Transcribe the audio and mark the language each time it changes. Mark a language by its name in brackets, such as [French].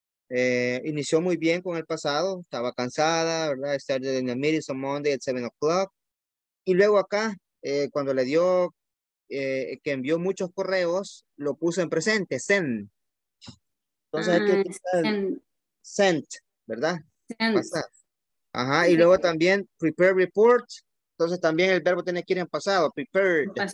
[Spanish] Inició muy bien con el pasado, estaba cansada, ¿verdad? [English] Started in the meeting on Monday at 7 o'clock. [Spanish] Y luego acá, cuando le dio, que envió muchos correos, lo puso en presente, send. Entonces, hay que send. Sent, ¿verdad? [English] Sent. [Spanish] Ajá, y luego también, prepare report. Entonces, también el verbo tiene que ir en pasado, prepared.